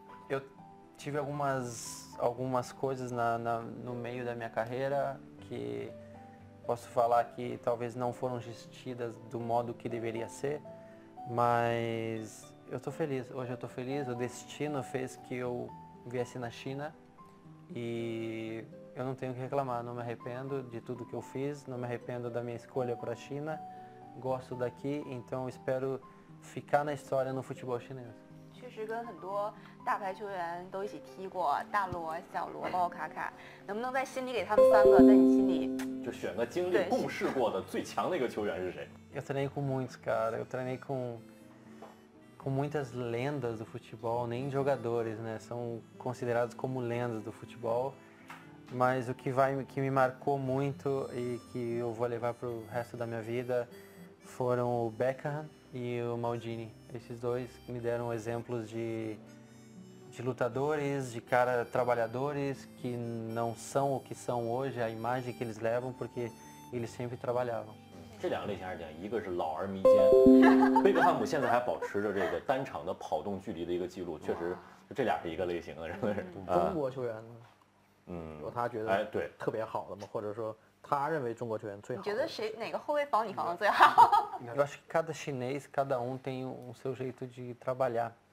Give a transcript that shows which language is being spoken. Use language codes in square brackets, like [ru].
[pt] Eu tive algumas coisas no meio da minha carreira que posso falar que talvez não foram gestidas do modo que deveria ser, mas eu estou feliz, hoje eu estou feliz, o destino fez que eu viesse na China e eu não tenho o que reclamar, não me arrependo de tudo que eu fiz, não me arrependo da minha escolha para a China, gosto daqui, então espero ficar na história no futebol chinês. [zh] 确实跟很多大牌球员都一起踢过，大罗、小罗、包括卡卡，能不能在心里给他们三个，在你心里就选个经历共事过的最强的一个球员是谁？ [pt] Eu treinei com muitos, cara. Eu treinei com muitas lendas do futebol, nem jogadores, né? São considerados como lendas do futebol. Mas o que me marcou muito e que eu vou levar pro resto da minha vida foram o Beckham e o Maldini. Esses dois me deram exemplos de lutadores, de cara trabalhadores que não são o que são hoje, a imagem que eles levam, porque eles sempre trabalhavam. [zh] 这两个类型而言，一个是老而弥坚，贝克汉姆现在还保持着这个单场的跑动距离的一个记录，确实这俩是一个类型的，真的是。中国球员呢？嗯，有他觉得哎对特别好的吗、哎？或者说他认为中国球员最好的？你觉得谁哪个后卫防你防的最好？ [pt] Eu acho que cada chinês, cada um tem um seu jeito de trabalhar.